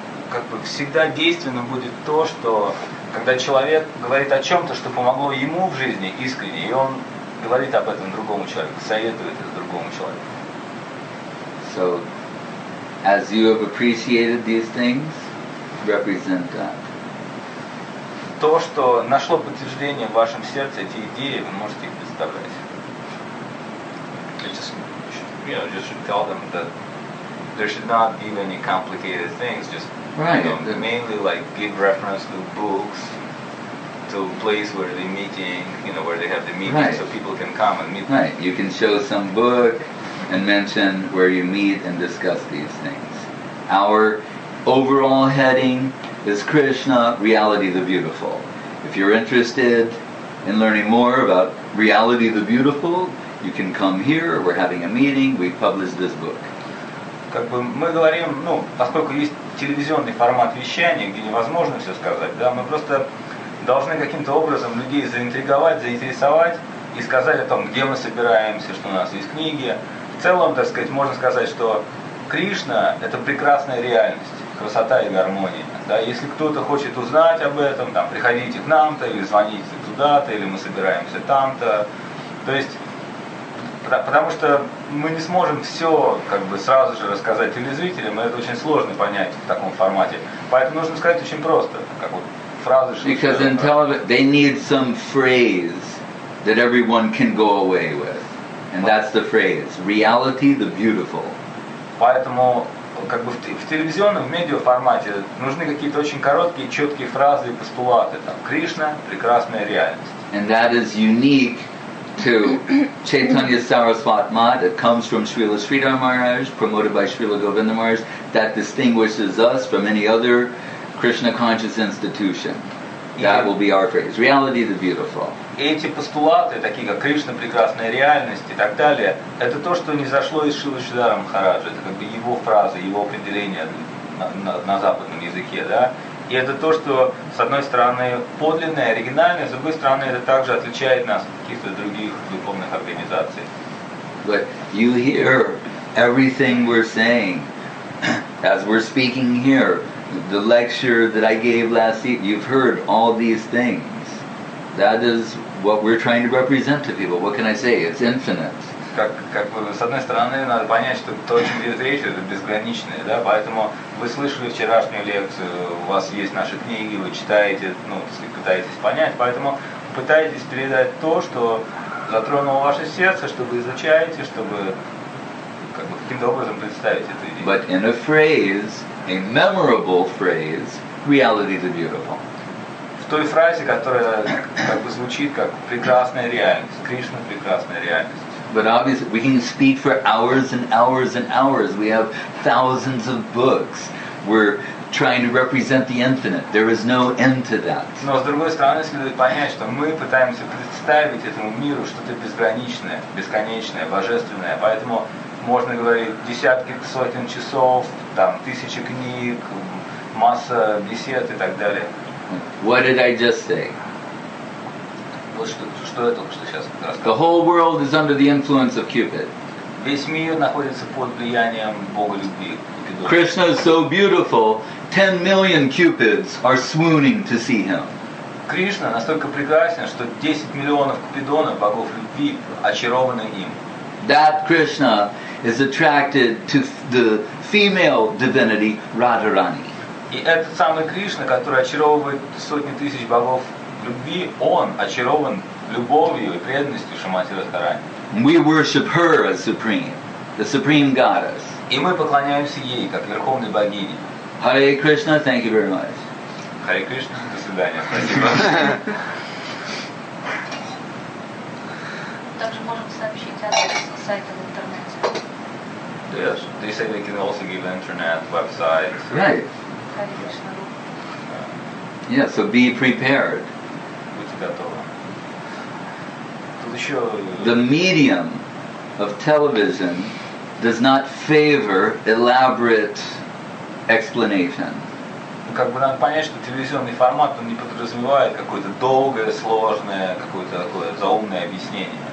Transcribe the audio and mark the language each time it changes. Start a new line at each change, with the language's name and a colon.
Russian: Как бы всегда действенно будет то, что когда человек говорит о чем-то, что помогло ему в жизни искренне, и он говорит об этом другому человеку, советует это другому человеку.
English: So, as you have appreciated these things, represent that.
Russian: То, что нашло подтверждение в вашем сердце, эти идеи, вы можете их представлять.
English: You should tell them that there should not be any complicated things. Just mainly like give reference to books, to place where they're meeting, you know, where they have the meeting, right. So people can come and meet. Right. You can show some book and mention where you meet and discuss these things. Our overall heading is Krishna, Reality the Beautiful. If you're interested in learning more about Reality the Beautiful, you can come here, we're having a meeting, we publish this book.
Russian: Как бы мы говорим, ну, поскольку есть телевизионный формат вещания, где невозможно все сказать, да, мы просто должны каким-то образом людей заинтриговать, заинтересовать и сказать о том, где мы собираемся, что у нас есть книги. В целом, так сказать, можно сказать, что Кришна – это прекрасная реальность, красота и гармония. Да? Если кто-то хочет узнать об этом, там, приходите к нам-то, или звоните туда-то, или мы собираемся там-то. То есть, потому что мы не сможем все как бы сразу же рассказать телезрителям, и это очень сложно понять в таком формате. Поэтому нужно сказать очень просто, как вот фразы, что...
English: Because in television, they need some phrase that everyone can go away with. And that's the phrase, reality the beautiful.
Russian: Поэтому как бы в телевизионном, в медиаформате нужны какие-то очень короткие, четкие фразы и постулаты. Там, Кришна – прекрасная реальность.
English: And that is unique to Chaitanya Saraswat Math. It comes from Srila Sridhar Maharaj, promoted by Srila Govinda Maharaj. That distinguishes us from any other Krishna conscious institution. That will be our phrase, reality the beautiful.
Russian: Эти постулаты, такие как Кришна, прекрасная реальность и так далее, это то, что не зашло из Шрилы Шридхара Махараджа. Это как бы его фраза, его определение на западном языке, да? И это то, что, с одной стороны, подлинное, оригинальное, с другой стороны, это также отличает нас от каких-то других духовных организаций.
English: But you hear everything we're saying, as we're speaking here, the lecture that I gave last week, you've heard all these things. That is what we're trying to represent to people. What can I say? It's infinite.
Russian: Как с одной стороны, надо понять, что то, о чем идет речь, это безграничное, да? Поэтому вы слышали вчерашнюю лекцию, у вас есть наши книги, вы читаете, ну, пытаетесь понять, поэтому пытаетесь передать то, что затронуло ваше сердце, что вы изучаете, чтобы как бы каким-то образом представить эту идею.
English: but in a phrase, a memorable phrase, reality is beautiful.
Russian: В той фразе, которая как бы звучит как прекрасная реальность, Кришна прекрасная реальность.
English: But obviously, we can speak for hours and hours and hours. We have thousands of books. We're trying to represent the infinite. There is no end to that.
Russian: Но с другой стороны, следует понять, что мы пытаемся представить этому миру что-то безграничное, бесконечное, божественное. Поэтому можно говорить десятки, сотен часов, там тысячи книг, масса бесед и так далее.
English: What did I just say?
Russian: Вот что я только что сейчас рассказывал.
English: The whole world is under the influence of Cupid.
Russian: Весь мир находится под влиянием Бога любви.
English: Krishna is so beautiful, 10 million cupids are swooning to see him.
Russian: Кришна настолько прекрасен, что 10 миллионов купидонов, богов любви, очарованы им.
English: That Krishna is attracted to the female divinity Radharani.
Russian: И этот самый Кришна, который очаровывает сотни тысяч богов любви, он очарован любовью и преданностью Шримати Радхарани.
English: We worship her as supreme, the supreme goddess.
Russian: И мы поклоняемся ей, как верховной богине.
English: Hare Krishna, thank you very much.
Russian: Hare Krishna, до свидания, спасибо. Также можем сообщить адрес сайта в интернете.
English: Yes, they say they can also give internet, website. Right. Hare Krishna. Yeah, so be prepared.
Russian: Будьте готовы. Тут еще...
English: The medium of television does not favor elaborate explanation.
Russian: Как бы надо понять, что телевизионный формат он не подразумевает какое-то долгое, сложное, какое-то такое заумное объяснение.